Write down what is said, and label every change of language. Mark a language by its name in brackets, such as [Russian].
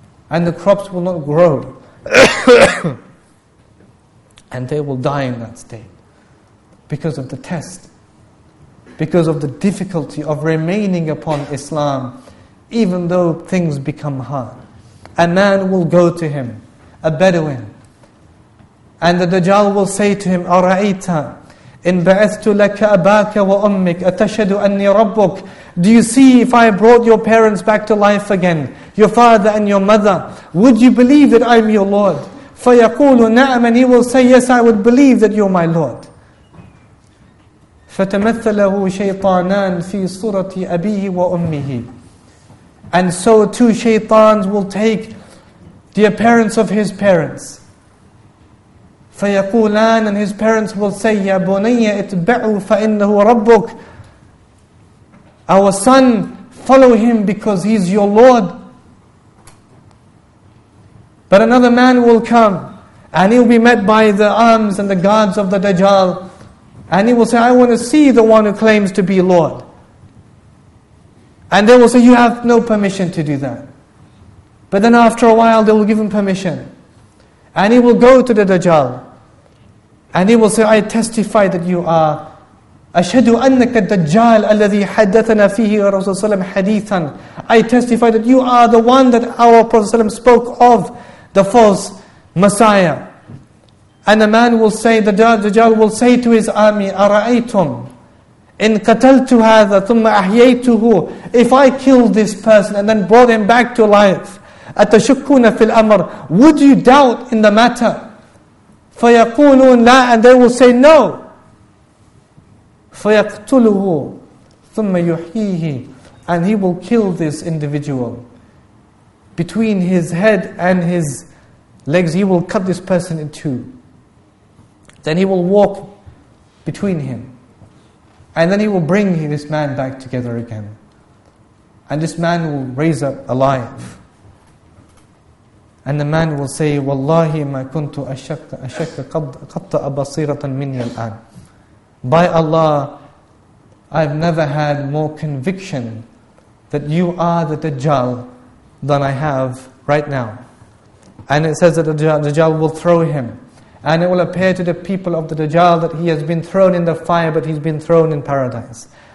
[English] And the crops will not grow. And they will die in that state. Because of the test. Because of the difficulty of remaining upon Islam. Even though things become hard. A man will go to him. A Bedouin. And the Dajjal will say to him, [Arabic] أَرَأَيْتَ إِنْ بَعَثْتُ لَكَ أَبَاكَ وَأُمِّكَ أَتَشْهَدُ أَنِّي رَبُّكَ. [English] Do you see if I brought your parents back to life again, your father and your mother, would you believe that I'm your Lord? [Arabic] فَيَقُولُ نَعَمْ. [English] And he will say, yes, I would believe that you're my Lord. [Arabic] فَتَمَثَّلَهُ شَيْطَانًا فِي صُرَةِ أَبِيهِ وَأُمِّهِ. [English] And so two shaitans will take the appearance of his parents. [Arabic] فَيَقُولَانَ. [English] And his parents will say, [Arabic] يَا بُنَيَّ اِتْبَعُوا فَإِنَّهُ رَبُّكَ. [English] Our son, follow him because he's your Lord. But another man will come and he'll be met by the arms and the guards of the Dajjal. And he will say, I want to see the one who claims to be Lord. And they will say, you have no permission to do that. But then after a while they will give him permission. And he will go to the Dajjal. And he will say, I testify that you are [Arabic] أَشْهَدُ أَنَّكَ الدَّجَّالِ أَلَّذِي حَدَّثَنَا فِيهِ رَسُولُ صَلَّى اللَّهُ عَلَيْهِ وَسَلَّمَ حَدِيثًا. [English] I testify that you are the one that our Prophet ﷺ spoke of, the false Messiah. And the man will say, the Dajjal will say to his army, [Arabic] أَرَأَيْتُمْ إِن قَتَلْتُ هَذَا ثُمَّ أَحْيَيْتُهُ. [English] If I killed this person and then brought him back to life, [Arabic] أَتَشُكُّونَ فِي الْأَمْرِ. [English] Would you doubt in the matter? [Arabic] فَيَقُولُونَ لَا. [English] And they will say no. [Arabic] فَيَقْتُلُهُ ثُمَّ يُحْيِيهِ. [English] And he will kill this individual. Between his head and his legs, he will cut this person in two. Then he will walk between him. And then he will bring this man back together again. And this man will raise up alive. And the man will say, [Arabic] وَاللَّهِ مَا كُنْتُ أَشَكَّ قَطَّأَ بَصِيرَةً مِنِّي الْآنِ. [English] By Allah, I've never had more conviction that you are the Dajjal than I have right now. And it says that the Dajjal will throw him. And it will appear to the people of the Dajjal that he has been thrown in the fire, but he's been thrown in paradise.